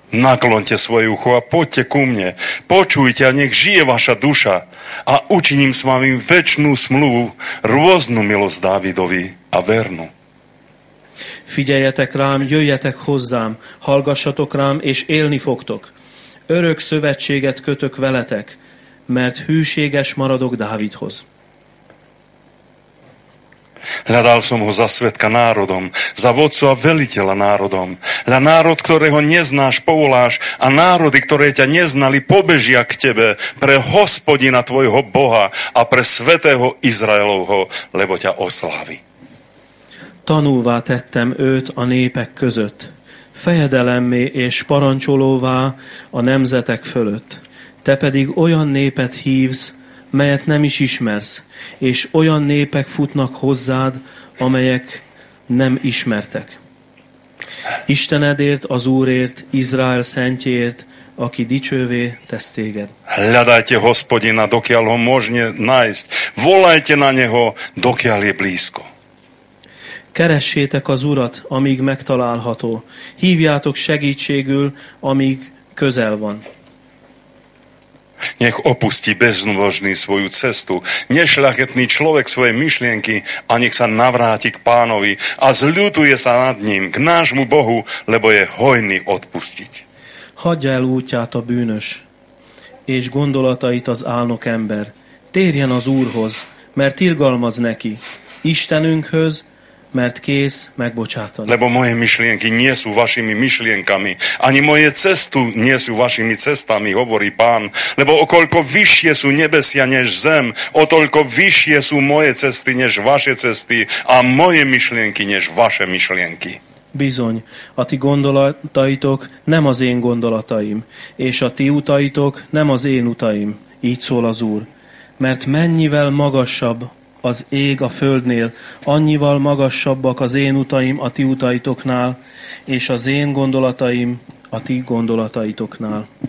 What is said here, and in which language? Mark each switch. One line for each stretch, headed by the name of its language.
Slovak: Naklonte svoje ucho a poďte ku mne, počujte a nech žije vaša duša a učiním s vami večnú smluvu, rôznu milosť Dávidovi a vernu.
Hungarian: Figyeljetek rám, jöjjetek hozzám, hallgassatok rám, és élni fogtok. Örök szövetséget kötök veletek, mert hűséges maradok Dávidhoz.
Slovak: Hľadal som ho za svedka národom, za vodcu a veliteľa národom. Hľa národ, ktorého neznáš, povoláš a národy, ktoré ťa neznali, pobežia k tebe pre Hospodina tvojho Boha a pre svätého Izraelovho, lebo ťa oslávi.
Hungarian: Tanúvá tettem őt a népek között, fejedelemmé és parancsolóvá a nemzetek fölött. Te pedig olyan népet hívsz, melyet nem is ismersz, és olyan népek futnak hozzád, amelyek nem ismertek. Istenedért, az Úrért, Izrael szentjéért, aki dicsővé tesz téged.
Slovak: Hľadajte Hospodina, dokiaľ ho možne nájsť. Volajte na neho, dokiaľ je blízko.
Hungarian: Keressétek az Urat, amíg megtalálható. Hívjátok segítségül, amíg közel van.
Slovak: Nech opustí bezbožný svoju cestu, nešľachetný človek svoje myšlienky a nech sa navráti k Pánovi a zľutuje sa nad ním, k nášmu Bohu, lebo je hojný odpustiť.
Hungarian: Hagyja el útját a bűnös és gondolatait az álnok ember. Térjen az Úrhoz, mert irgalmaz neki, Istenünkhöz, mert kész megbocsátani.
Slovak: Lebo moje myšlienky nie sú vašimi myšlienkami, ani moje cestu nie sú vašimi cestami, hovorí Pán. Lebo okoľko vyššie sú nebesia než zem, o toľko vyššie sú moje cesty než vaše cesty a moje myšlienky než vaše myšlienky.
Hungarian: Bizony, a ti gondolataitok nem az én gondolataim, és a ti utaitok nem az én utaim, így szól az Úr. Mert mennyivel magasabb az ég a földnél, annyival magasabbak az én utaim a ti utaitoknál, és az én gondolataim a ti gondolataitoknál.